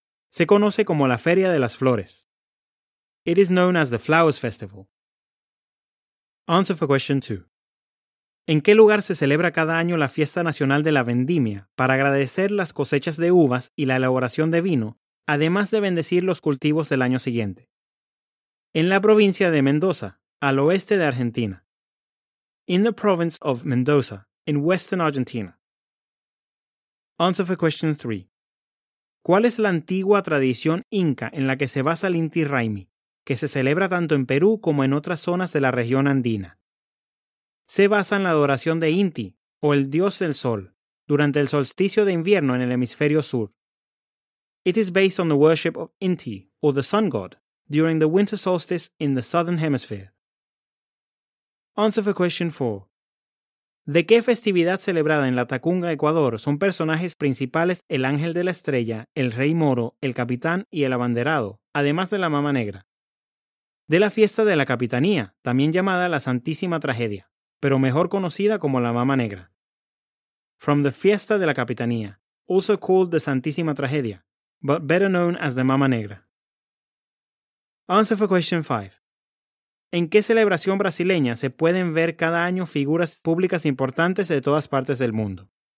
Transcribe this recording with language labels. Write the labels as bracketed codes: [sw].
[es] Se conoce como la Feria de las Flores. [en] It is known as the Flowers Festival. Answer for question 2. [es] ¿En qué lugar se celebra cada año la Fiesta Nacional de la Vendimia para agradecer las cosechas de uvas y la elaboración de vino, además de bendecir los cultivos del año siguiente? En la provincia de Mendoza, al oeste de Argentina. [en] In the province of Mendoza, in western Argentina. Answer for question 3. [es] ¿Cuál es la antigua tradición inca en la que se basa el Inti Raymi, que se celebra tanto en Perú como en otras zonas de la región andina? Se basa en la adoración de Inti, o el dios del sol, durante el solsticio de invierno en el hemisferio sur. [en] It is based on the worship of Inti, or the sun god, during the winter solstice in the southern hemisphere. Answer for question 4. [es] ¿De qué festividad celebrada en Latacunga, Ecuador, son personajes principales el ángel de la estrella, el rey moro, el capitán y el abanderado, además de la mama negra? De la fiesta de la capitanía, también llamada la Santísima Tragedia, pero mejor conocida como la mama negra. [en] From the Fiesta de la Capitanía, also called the Santísima Tragedia, but better known as the mama negra. Answer for question 5. [es] ¿En qué celebración brasileña se pueden ver cada año figuras públicas importantes de todas partes del mundo?